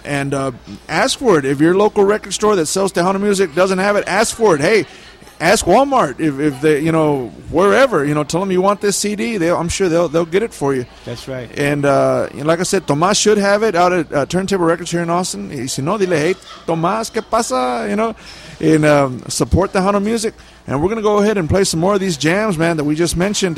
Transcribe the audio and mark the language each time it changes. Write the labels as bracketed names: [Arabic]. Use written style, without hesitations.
[English] And ask for it. If your local record store that sells Tejano music doesn't have it, ask for it. Hey, ask Walmart if they, you know, wherever, you know, tell them you want this CD. I'm sure they'll get it for you. That's right. And like I said, Tomas should have it out at Turntable Records here in Austin. [Spanish] Y si no, dile, hey, Tomas, ¿qué pasa? [English] You know, and support Tejano music. And we're going to go ahead and play some more of these jams, man, that we just mentioned.